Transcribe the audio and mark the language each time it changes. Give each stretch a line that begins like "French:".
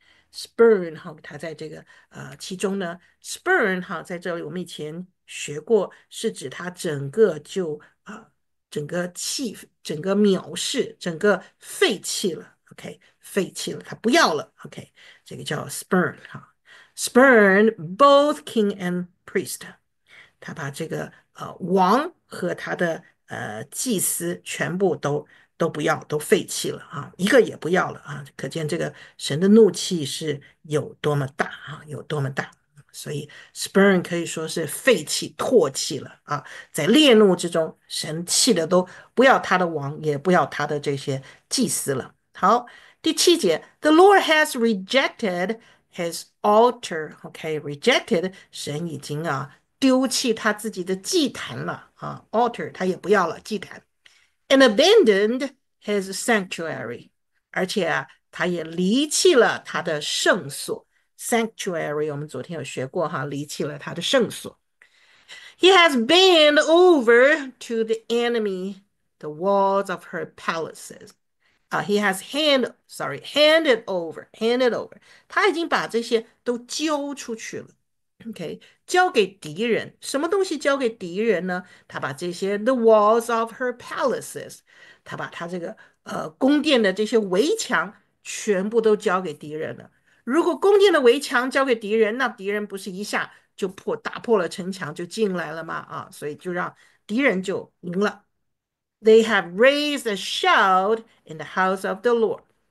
Chinese: Spurn 哈，它在这个其中呢，spurn 哈，在这里我们以前学过，是指它整个就整个气，整个藐视，整个废弃了，OK，废弃了，它不要了，OK，这个叫 spurn 哈，
English: spurn both king and priest，
Chinese: 他把这个王和他的祭司全部都不要，都废弃了啊，一个也不要了啊！可见这个神的怒气是有多么大啊，有多么大。所以 spurn 可以说是废弃、唾弃了啊，在烈怒之中，神气得都不要他的王，也不要他的这些祭司了。好，第七节，
English: The Lord has rejected his altar.
Chinese: OK，rejected，神已经丢弃他自己的祭坛了啊，altar 他也不要了，祭坛。
English: And abandoned his sanctuary，
Chinese: 而且啊，他也离弃了他的圣所。 Sanctuary 我们昨天有学过哈，离弃了他的圣所。
English: He has been over to the enemy the walls of her palaces. He has hand, sorry, handed over, handed over.
Chinese: 他已经把这些都交出去了。OK，交给敌人，什么东西交给敌人呢？他把这些
English: the walls of her palaces，
Chinese: 他把他这个宫殿的这些围墙全部都交给敌人了。如果宫殿的围墙交给敌人，那敌人不是一下就打破了城墙就进来了吗？所以就让敌人就赢了。
English: They have raised a shout in the house of the Lord。